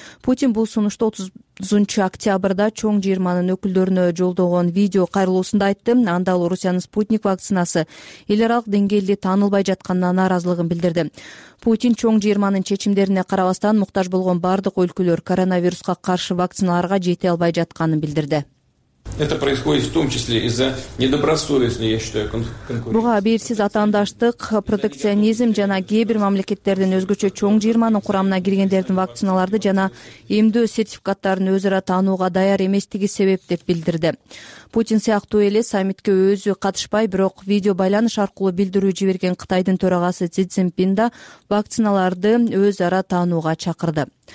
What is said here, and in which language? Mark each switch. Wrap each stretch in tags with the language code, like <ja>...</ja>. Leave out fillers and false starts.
<ky>Путин бул сунушту 30-октябрда чоң жыйырманын өкүлдөрүнө жолдогон видео кайрылуусунда айтты. Анда ал Орусиянын спутник вакцинасы эл аралык деңгээлде таанылбай жатканына нааразылыгын билдирди. Путин чоң жыйырманын чечимдерине карабастан муктаж болгон бардык өлкөлөр коронавируска каршы вакциналарга жете албай жатканын билдирди.</ky> <ru>Это происходит в том числе из-за недобросовестной, я считаю, конкуренции.</ru> <ky>Буга бийликсиз атаандаштык, протекционизм жана кээ бир мамлекеттердин өзгөчө чоң жыйырманын курамына киргендердин вакциналарды жана эмдөө сертификаттарын өз ара таанууга даяр эместиги себеп деп билдирди. Путин сыяктуу эле саммитке өзү катышпай, бирок видео байланыш аркылуу билдирүү жиберген Кытайдын төрагасы Си Цзиньпин да вакциналарды өз ара таанууга чакырды.</ky>